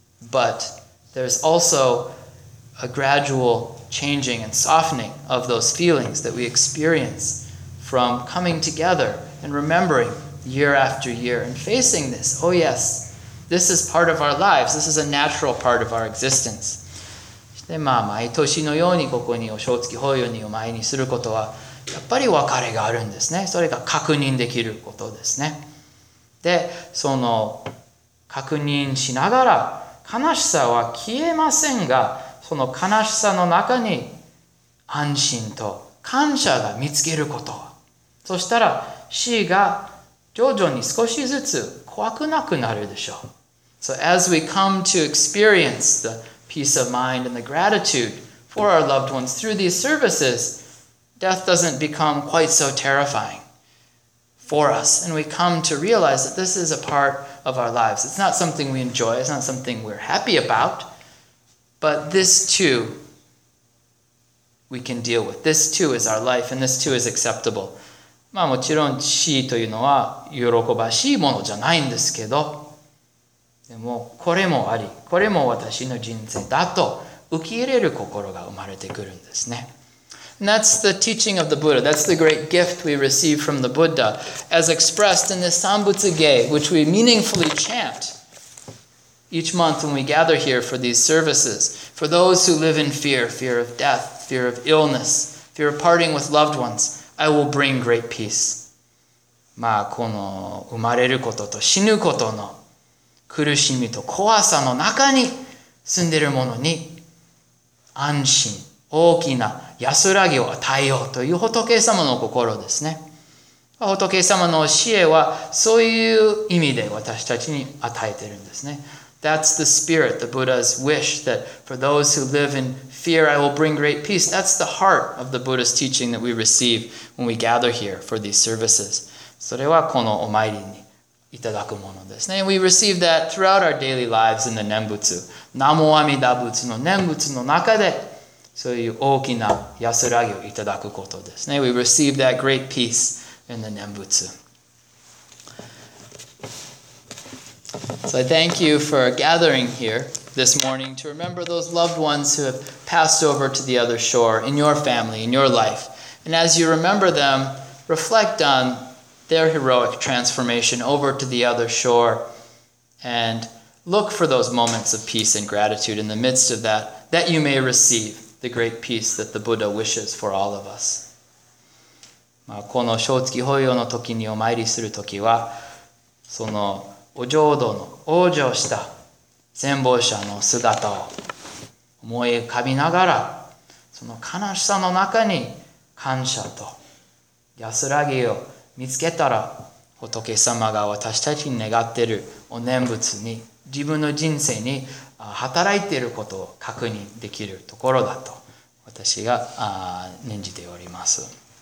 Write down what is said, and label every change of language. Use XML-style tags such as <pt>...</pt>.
<en>But there's also a gradual changing and softening of those feelings that we experience from coming together and remembering year after year and facing this. Oh yes. This is part of our lives. This is a natural part of our existence.</en> <ja>そして、まあ、毎年のようにここにお正月法要にお前にすることは、やっぱり別れがあるんですね。それが確認できることですね。で、その確認しながら、悲しさは消えませんが、その悲しさの中に安心と感謝が見つけること、そしたら死が徐々に少しずつ怖くなくなるでしょう。</ja> <en>So as we come to experience the peace of mind and the gratitude for our loved ones through these services, death doesn't become quite so terrifying for us, and we come to realize that this is a part of our lives. It's not something we enjoy, it's not something we're happy about, but this too we can deal with. This too is our life, and this too is acceptable.</en> <ja>まあもちろん死というのは喜ばしいものじゃないんですけど、でもこれもあり、これも私の人生だと受け入れる心が生まれてくるんですね。</ja> <en>And that's the teaching of the Buddha. That's the great gift we receive from the Buddha, as expressed in the Sambutsuge, which we meaningfully chant each month when we gather here for these services. For those who live in fear, fear of death, fear of illness, fear of parting with loved ones, I will bring great peace.</en> <ja>まあこの生まれることと死ぬことの苦しみと怖さの中に住んでいる者に安心、大きな安らぎを与えようという仏様の心ですね。仏様の教えはそういう意味で私たちに与えているんですね。</ja> <en>That's the spirit, the Buddha's wish, that for those who live in fear, I will bring great peace. That's the heart of the Buddha's teaching that we receive when we gather here for these services.</en> <ja>それはこのお参りにいただくものですね。</ja> <en>We receive that throughout our daily lives in the 念仏。</en> <ja>南無阿弥陀仏の念仏の中で、そういう大きな安らぎをいただくことですね。</ja> <en>We receive that great peace in the 念仏。 So I thank you for gathering here this morning to remember those loved ones who have passed over to the other shore in your family, in your life. And as you remember them, reflect on their heroic transformation over to the other shore and look for those moments of peace and gratitude in the midst of that, that you may receive the great peace that the Buddha wishes for all of us.</en> <ja>まあこの正月法要の時にお参りする時は、そのお浄土の往生した先方者の姿を思い浮かびながら、その悲しさの中に感謝と安らぎを見つけたら、仏様が私たちに願っているお念仏に、自分の人生に働いていることを確認できるところだと私が念じております。</ja>